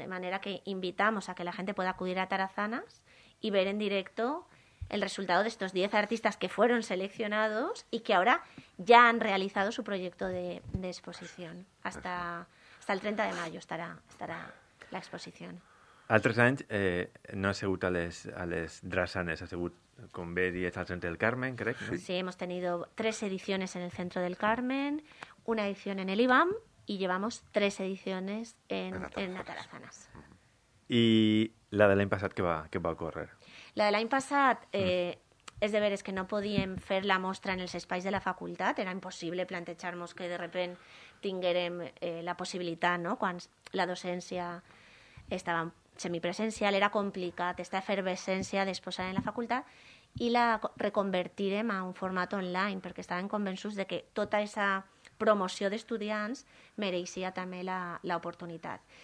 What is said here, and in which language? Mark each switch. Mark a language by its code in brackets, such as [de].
[es] De manera que invitamos a que la gente pueda acudir a Tarazanas y ver en directo el resultado de estos 10 artistas que fueron seleccionados y que ahora ya han realizado su proyecto de exposición. Hasta el 30 de mayo estará la exposición. [ca] Altres anys no ha sigut a les drassanes, ha sigut con B10 al Centre del Carmen, crec. Sí. [es] Sí, hemos tenido 3 ediciones en el Centro del Carmen, una edición en el IBAM y llevamos 3 ediciones en Atarazanas. [ca] ¿Y la de l'any passat què va a ocórrer? La de l'any passat, és de veure, és que no podíem fer la mostra en els espais de la facultat, era impossible plantejar-nos que [es] de repente [ca] tinguérem la possibilitat, no?, quan la docència estava semipresencial, era complicat esta efervescència d'exposar en la facultat i la reconvertirem a un format online, perquè estàvem convençuts de que tota aquesta promoció d'estudiants mereixia també l'oportunitat.